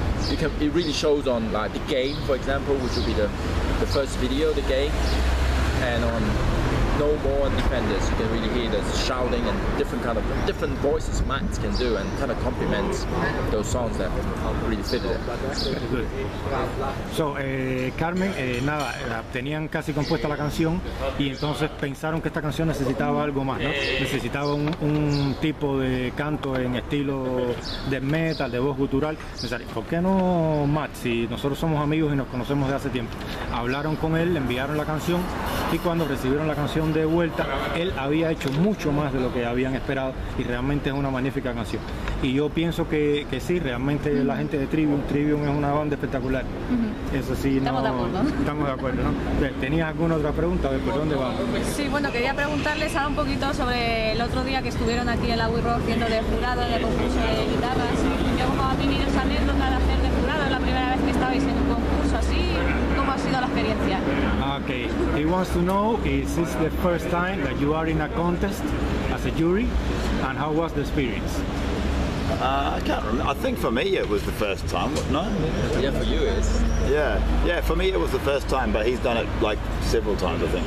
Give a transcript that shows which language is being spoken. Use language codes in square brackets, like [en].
[en] you can, it really shows on like the game, for example, which will be the first video of the game, and on No More and Defenders, you can really hear the shouting and different kind of different voices Max can do, and kind of complements those songs that really fit it. [es] So, Carmen, nada, tenían casi compuesta la canción y entonces pensaron que esta canción necesitaba algo más, ¿no? Necesitaba un tipo de canto en estilo de metal, de voz gutural. Pensaron, ¿por qué no Max? Si nosotros somos amigos y nos conocemos de hace tiempo. Hablaron con él, le enviaron la canción y cuando recibieron la canción de vuelta, él había hecho mucho más de lo que habían esperado y realmente es una magnífica canción. Y yo pienso que sí, realmente mm-hmm. la gente de Trivium es una banda espectacular. Mm-hmm. Eso sí, estamos no, de acuerdo. Estamos de acuerdo, ¿no? ¿Tenías alguna otra pregunta? A ver, ¿por dónde vamos? Sí, bueno, quería preguntarles ahora un poquito sobre el otro día que estuvieron aquí en la We Rock siendo de jurado de concurso de guitarras. ¿Cómo ha vivido esa anécdota de hacer de jurado? ¿Es la primera vez que estabais en un concurso así? ¿Cómo ha sido la experiencia? [en] Okay, he wants to know, is this the first time that you are in a contest as a jury, and how was the experience? I can't remember. I think for me it was the first time, no? Yeah, for you it is. Yeah, for me it was the first time, but he's done it like several times, I think.